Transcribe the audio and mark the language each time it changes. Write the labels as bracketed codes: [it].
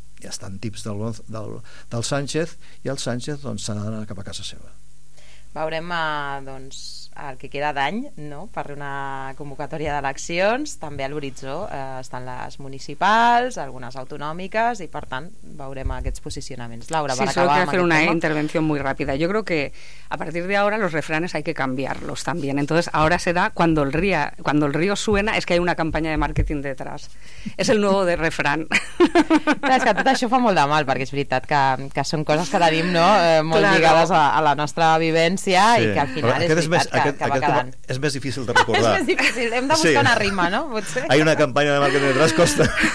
[ca] Ja estan tips del Sánchez, i el Sánchez doncs s'ha d'anar cap a casa seva. Veurem doncs el que queda d'any, no? Per una convocatòria d'eleccions. També a l'horitzó estan les municipals, algunes autonòmiques, i per tant veurem aquests posicionaments. Laura, [es] sí, solo quiero hacer una intervención muy rápida. Yo creo que a partir de ahora los refranes hay que cambiarlos también. Entonces ahora se da cuando el río suena es que hay una campaña de marketing detrás. Es el nuevo de refrán. [ca] Clar, és que tot això fa molt de mal, perquè és veritat que són coses que tenim, no? Molt claro. Lligades a la nostra vivència, sí. I que al final Aquest és més difícil de recordar. És més difícil, hem de buscar sí. una rima, no? Potser. Hi ha una campanya de marketing detrás, costa.